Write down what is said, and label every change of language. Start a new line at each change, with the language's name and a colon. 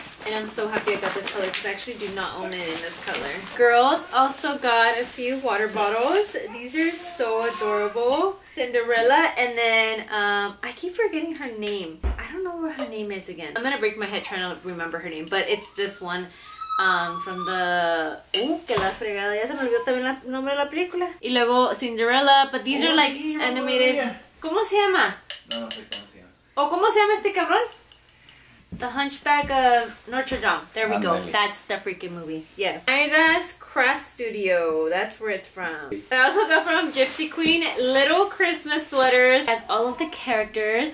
English: And I'm so happy I got this color because I actually do not own it in this color. Girls also got a few water bottles. These are so adorable. Cinderella and then I keep forgetting her name. I don't know what her name is again. I'm gonna break my head trying to remember her name, but it's this one from the...
Spanish: Ooh, que la fregada. Ya se me olvidó también el nombre de la película. Y luego
English: Cinderella, but these are like animated.
Spanish: ¿Cómo se llama? No, no sé cómo se llama. ¿O cómo se llama este cabrón? The Hunchback of Notre Dame.
English: There we go. That's the freaking movie. Yeah. Ida's Craft Studio. That's where it's from. I also got from Gypsy Queen little Christmas sweaters. It has all of the characters.